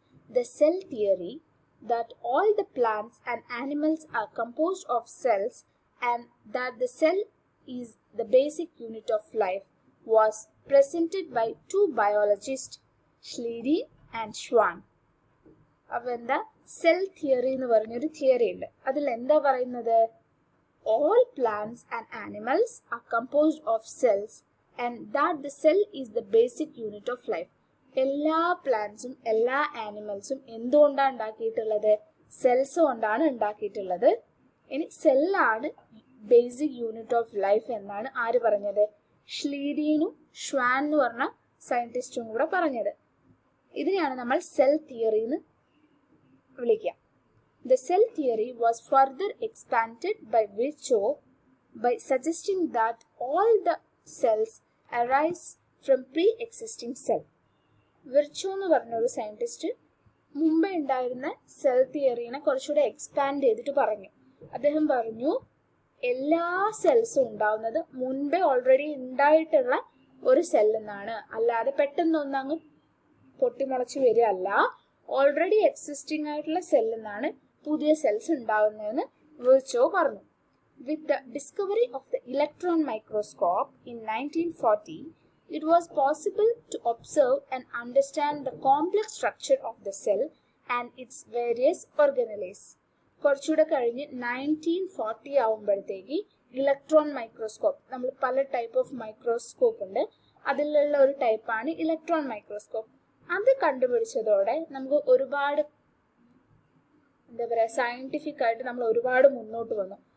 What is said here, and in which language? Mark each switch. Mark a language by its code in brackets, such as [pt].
[en] The cell theory that all the plants and animals are composed of cells and that the cell is the basic unit of life was presented by two biologist Schleiden and Schwann. [ml] അപ്പോൾ എന്താ cell theory എന്ന് പറഞ്ഞൊരു theory ഉണ്ട്. അതിൽ എന്താ പറയുന്നത്? [en] All plants and animals are composed of cells and that the cell is the basic unit of life. [ml] എല്ലാ പ്ലാന്റ്സും എല്ലാ ആനിമൽസും എന്തുകൊണ്ടാണ് ഉണ്ടാക്കിയിട്ടുള്ളത്? സെൽസ് കൊണ്ടാണ് ഉണ്ടാക്കിയിട്ടുള്ളത്. ഇനി സെല്ലാണ് [en] basic unit of life [ml] എന്നാണ് ആര് പറഞ്ഞത്? ഷ്ലീഡീനും ഷ്വാൻ എന്ന് പറഞ്ഞ സയന്റിസ്റ്റും കൂടെ പറഞ്ഞത്. ഇതിനെയാണ് നമ്മൾ സെൽ തിയറി എന്ന് വിളിക്കുക. [en] The cell theory was further expand by Virchow by suggesting that all the cells arise from pre existing cell. [ml] Virchow എന്ന് പറഞ്ഞ ഒരു സയന്റിസ്റ്റ് മുമ്പേ ഉണ്ടായിരുന്ന സെൽ തിയറീനെ കുറച്ചുകൂടെ എക്സ്പാൻഡ് ചെയ്തിട്ട് പറഞ്ഞു. അദ്ദേഹം പറഞ്ഞു എല്ലാ സെൽസും ഉണ്ടാവുന്നത് മുൻപേ ഓൾറെഡി ഉണ്ടായിട്ടുള്ള ഒരു സെല്ലെന്നാണ്, അല്ലാതെ പെട്ടെന്നൊന്നും അങ്ങ് പൊട്ടിമുളച്ച് വരികയല്ല, ഓൾറെഡി എക്സിസ്റ്റിംഗ് ആയിട്ടുള്ള സെല്ലെന്നാണ് പുതിയ സെൽസ് ഉണ്ടാവുന്നതെന്ന് വിർച്ചോ പറഞ്ഞു. [en] With the discovery of the electron microscope in 1940 it was possible to observe and understand the complex structure of the cell and its various organelles. [ml] കുറച്ചുകൂടെ കഴിഞ്ഞ് 1940 ആവുമ്പോഴത്തേക്ക് ഇലക്ട്രോൺ മൈക്രോസ്കോപ്പ്, നമ്മൾ പല type of microscope ഉണ്ട്, അതിലുള്ള ഒരു ടൈപ്പാണ് ഇലക്ട്രോൺ മൈക്രോസ്കോപ്പ്, അത് കണ്ടുപിടിച്ചതോടെ നമുക്ക് ഒരുപാട് എന്താ പറയുക, സയന്റിഫിക് ആയിട്ട് നമ്മൾ ഒരുപാട് മുന്നോട്ട് വന്നു.